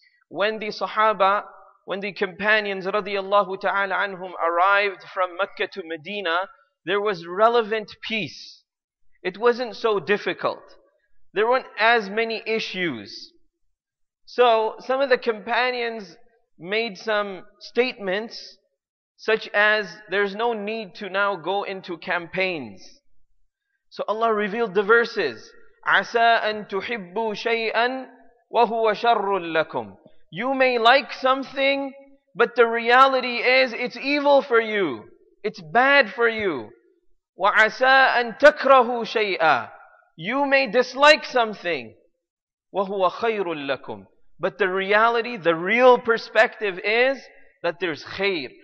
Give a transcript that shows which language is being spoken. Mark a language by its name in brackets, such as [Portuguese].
[English] When the Sahaba, when the companions radiallahu ta'ala anhum arrived from Mecca to Medina, there was relevant peace. It wasn't so difficult. There weren't as many issues. So some of the companions made some statements such as, there's no need to now go into campaigns. So Allah revealed the verses, [Arabic] عَسَىٰ أَن تُحِبُّوا شَيْئًا وَهُوَ شَرٌّ لَكُمْ. [English] You may like something, but the reality is it's evil for you. It's bad for you. [Arabic] وَعَسَىٰ أَن تَكْرَهُوا شَيْئًا. [English] You may dislike something. [Arabic] وَهُوَ خَيْرٌ لَكُمْ. [English] But the reality, the real perspective is that there's khair.